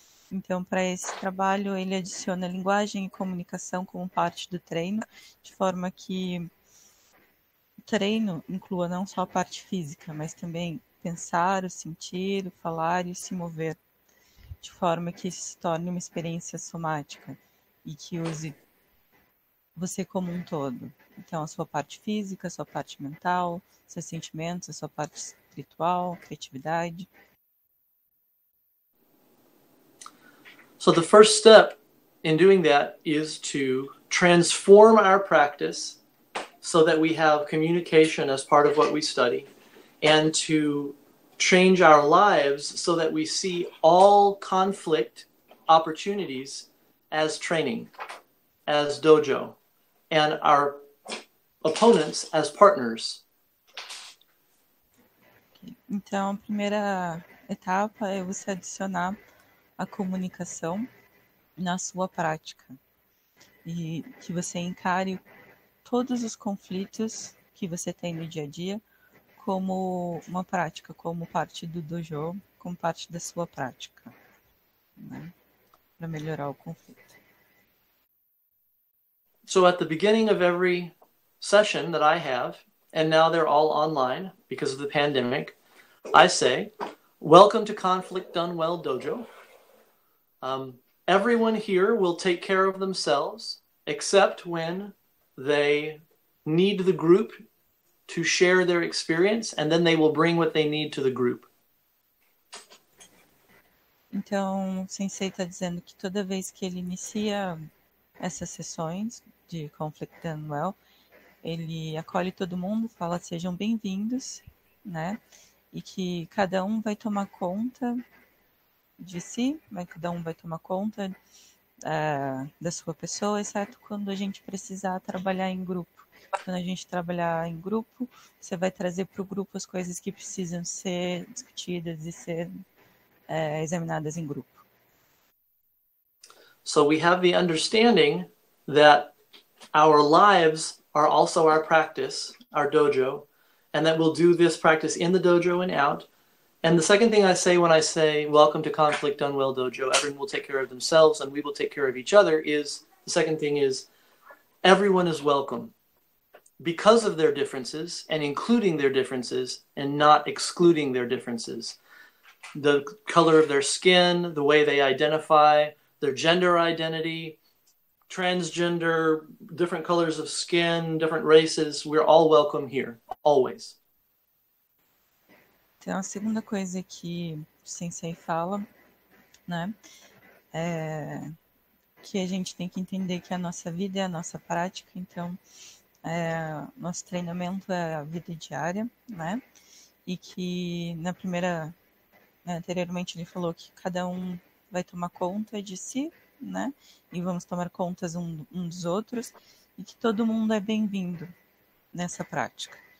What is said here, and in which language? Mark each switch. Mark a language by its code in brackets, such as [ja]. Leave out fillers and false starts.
[pt] Então, para esse trabalho, ele adiciona linguagem e comunicação como parte do treino, de forma que o treino inclua não só a parte física, mas também pensar, o sentir, o falar e se mover, de forma que isso se torne uma experiência somática e que use você como um todo. Então, a sua parte física, a sua parte mental, seus sentimentos, a sua parte espiritual, criatividade. [en] So the first step in doing that is to transform our practice so that we have communication as part of what we study, and to change our lives so that we see all conflict opportunities as training, as dojo, and our opponents as partners. [pt] Então, a primeira etapa é você adicionar a comunicação na sua prática e que você encare todos os conflitos que você tem no dia a dia como uma prática, como parte do dojo, como parte da sua prática, né? Para melhorar o conflito. [en] So at the beginning of every session that I have, and now they're all online because of the pandemic, I say, welcome to Conflict Done Well Dojo. Everyone here will take care of themselves, except when they need the group to share their experience, and then they will bring what they need to the group. [pt] Então, o sensei está dizendo que toda vez que ele inicia essas sessões de Conflict Done Well, ele acolhe todo mundo, fala sejam bem-vindos, né? E que cada um vai tomar conta de si, mas cada um vai tomar conta da sua pessoa, exceto quando a gente precisar trabalhar em grupo. Quando a gente trabalhar em grupo, você vai trazer para o grupo as coisas que precisam ser discutidas e ser examinadas em grupo. [en] So we have the understanding that our lives are also our practice, our dojo, and that we'll do this practice in the dojo and out. And the second thing I say when I say, welcome to Conflict Done Well Dojo, everyone will take care of themselves and we will take care of each other, is, the second thing is, everyone is welcome because of their differences and including their differences and not excluding their differences. The color of their skin, the way they identify, their gender identity, transgender, different colors of skin, different races, we're all welcome here, always. [pt] Então, a segunda coisa que o sensei fala, né, é que a gente tem que entender que a nossa vida é a nossa prática, então, nosso treinamento é a vida diária, né, e que na primeira, anteriormente ele falou que cada um vai tomar conta de si, né, e vamos tomar contas um dos outros, e que todo mundo é bem-vindo nessa prática.